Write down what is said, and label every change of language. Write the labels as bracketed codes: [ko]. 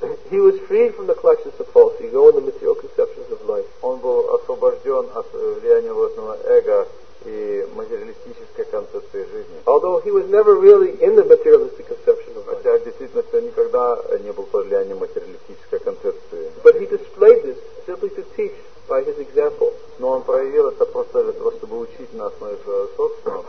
[en] He was free from the clutches of false ego and the material conceptions of life. [ru] Он был освобожден от влияния ложного эго и материалистической концепции жизни. [en] Although he was never really in the materialistic conception of life. [ru] Хотя действительно он никогда не был под влиянием материалистической концепции. [en] But he displayed this simply to teach by his example. [ru] Но он проявил это просто чтобы учить нас на их собственном.